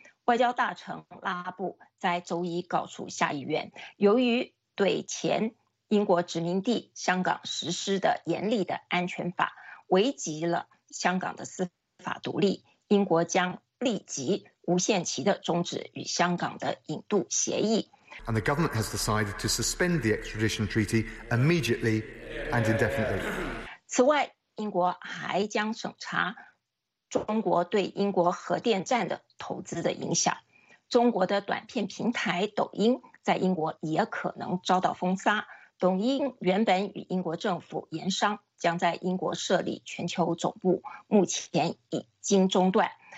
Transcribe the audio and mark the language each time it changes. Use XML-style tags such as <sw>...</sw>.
<zh>外交大臣拉布在周一告诉下议院，由于对前英国殖民地香港实施的严厉的安全法危及了香港的司法独立，英国将立即无限期的终止与香港的引渡协议。</zh> <en>And the government has decided to suspend the extradition treaty immediately and indefinitely.</en> <zh>此外，英国还将审查中国对英国核电站的投资的影响。中国的短片平台抖音在英国也可能遭到封杀。抖音原本与英国政府盐商将在英国设立全球总部，目前已经中断。</zh>